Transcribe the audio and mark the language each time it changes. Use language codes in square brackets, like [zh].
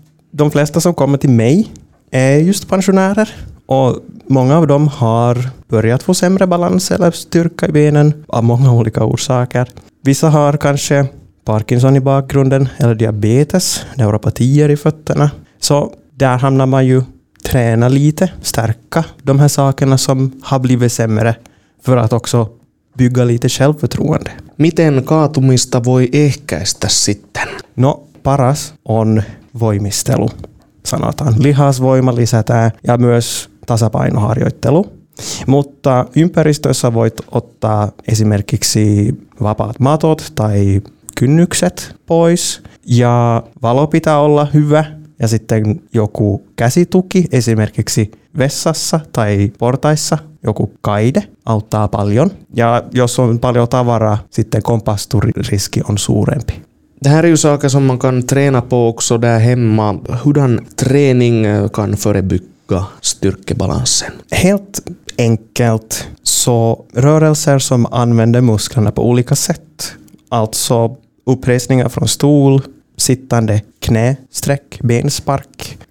[sv] De flesta som kommer till mig är just pensionärer och många av dem har börjat få sämre balans eller styrka i benen av många olika orsaker. Vissa har kanske Parkinson i bakgrunden eller diabetes, neuropatier i fötterna. Så där hamnar man ju träna lite, stärka de här sakerna som har blivit sämre för att också bygga lite självförtroende. [fi] Miten kaatumista voi ehkäistä sitten? Paras on voimistelu, sanotaan. Lihasvoima lisätään ja myös tasapainoharjoittelu. Mutta ympäristössä voit ottaa esimerkiksi vapaat matot tai kynnykset pois ja valo pitää olla hyvä ja sitten joku käsituki esimerkiksi vessassa tai portaissa, joku kaide auttaa paljon ja jos on paljon tavaraa, sitten kompastuririski on suurempi. [sv] Det här är ju saker som man kan träna på också där hemma. Hurdan träning kan förebygga styrkebalansen? Helt enkelt så rörelser som använder musklerna på olika sätt, alltså uppresningar från stol, sittande knästräck, benspark.